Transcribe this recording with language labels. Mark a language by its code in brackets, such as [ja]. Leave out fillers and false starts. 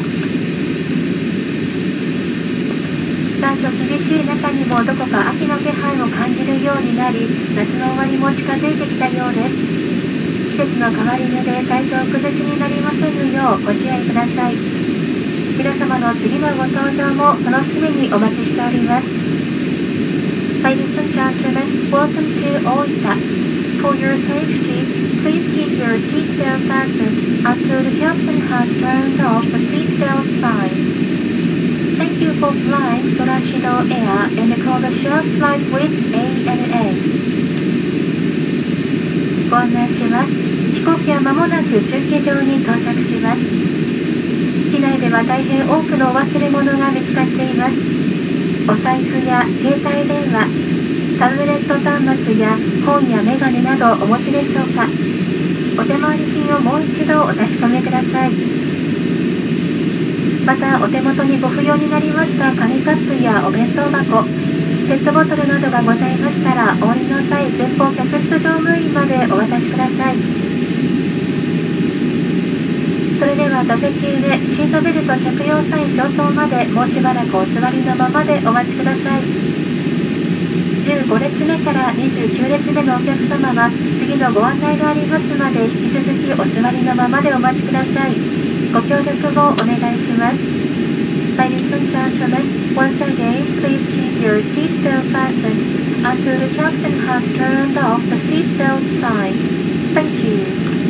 [ja] 残暑厳しい中にもどこか秋の気配を感じるようになり、夏の終わりも近づいてきたようです。季節の変わり目で体調崩しになりませんようご注意ください。皆様の次のご搭乗も楽しみにお待ちしております。 [en] Ladies and gentlemen, welcome to Oita. For your safety, please keep your seatbelt fastened until the captain has turned off the seatbelt sign. Thank you for flying Soraishido Air and call the short flight with ANA. [ja] ご案内します。飛行機は間もなく駐機場に到着します。機内では大変多くのお忘れ物が見つかっています。お財布や携帯電話、タブレット端末や本やメガネなどお持ちでしょうか。お手回り品をもう一度お確かめください。またお手元にご不要になりました紙カップやお弁当箱、ペットボトルなどがございましたら、降りの際、前方客室乗務員までお渡しください。それでは、座席上、シートベルト着用際消灯まで、もうしばらくお座りのままでお待ちください。 15列目から29列目のお客様は、次のご案内がありますまで、引き続きお座りのままでお待ちください。ご協力をお願いします。 [en] Ladies and gentlemen, once again, please keep your seatbelt fastened until the captain has turned off the seatbelt sign. Thank you.